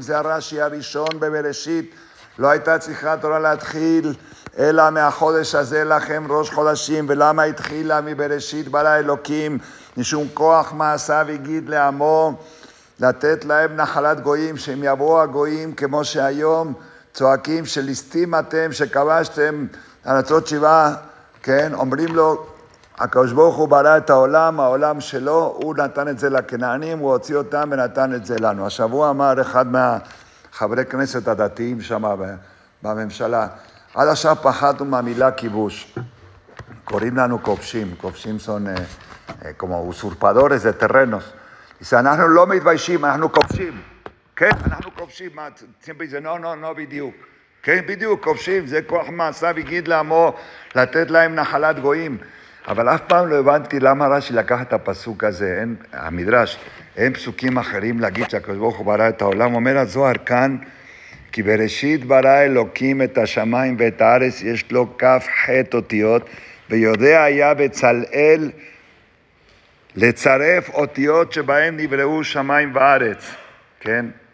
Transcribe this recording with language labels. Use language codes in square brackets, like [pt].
[he] ‫זה הרשי הראשון בבראשית. ‫לא הייתה צריכה תורה להתחיל, אלא מהחודש הזה לכם ראש חודשים, ולמה התחילה מבראשית ברא אלוקים, משום כוח מעשיו יגיד לעמו, לתת להם נחלת גויים, שהם יבואו הגויים כמו שהיום, צועקים שליסטים אתם, שכבשתם ארצות שבעה, כן, אומרים לו, הקדוש ברוך הוא ברא את העולם, העולם שלו, הוא נתן את זה לכנענים, הוא הוציא אותם ונתן את זה לנו. השבוע אמר אחד מהחברי כנסת הדתיים שם בממשלה, עד עכשיו פחדנו מהמילה כיבוש. קוראים לנו כובשים. [es] כובשים son como usurpadores de terrenos. [he] אנחנו לא מתביישים, אנחנו כובשים. כן, אנחנו כובשים. מה, צימפי זה, לא בדיוק. כן, בדיוק, כובשים. זה כוח מעשיו יגיד לעמו, לתת להם נחלת גויים. אבל אף פעם לא הבנתי למה רש"י לקח את הפסוק הזה, המדרש. אין פסוקים אחרים להגיד שהקדוש ברוך הוא ברא את העולם. אומר הזוהר כאן, כי בראשית ברא אלוקים את השמיים ואת הארץ, יש לו כף חטא אותיות, ויודע היה בצלאל לצרף אותיות שבהן נבראו שמיים וארץ. כן?